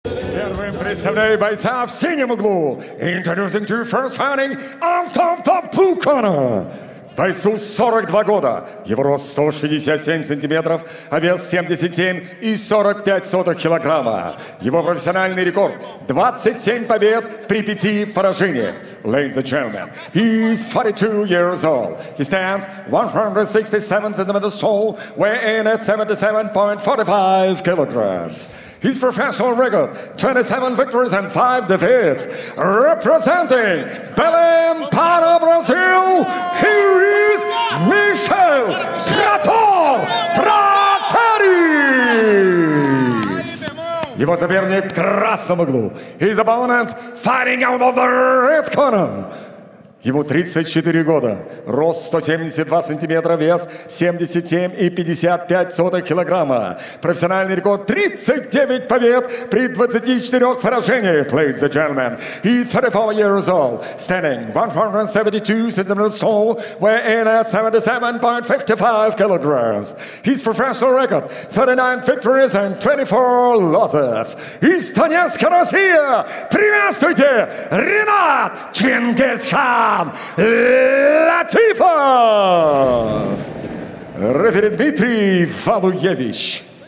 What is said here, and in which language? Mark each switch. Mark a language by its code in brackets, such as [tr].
[ru] Первым представляю бойца в синем углу. [en] Introducing to first fighting out of the blue corner. [ru] Бойцу 42 года. Его рост 167 сантиметров, а вес 77,45 килограмма. Его профессиональный рекорд 27 побед при 5 поражениях. [en] Ladies and gentlemen, he is 42 years old. He stands 167 centimeters tall, weighing at 77.45 kilograms. His professional record, 27 victories and 5 defeats. Representing Belém, Pará, Brazil, here is Michel Trator Prazeres. [ru] Его соперник в красном углу. [en] His opponent fighting out of the red corner. [ru] Ему 34 года, рост 172 сантиметра, вес 77,55 килограмма. Профессиональный рекорд 39 побед при 24 поражениях. [en] Ladies and gentlemen, he's 34 years old, standing 172 centimeters tall, weighing at 77.55 kilograms. His professional record, 39 victories and 24 losses. [ru] Из Донецка, Россия, приветствуйте, Ренат Чингисхан Латифов! Рефери Дмитрий Валуевич.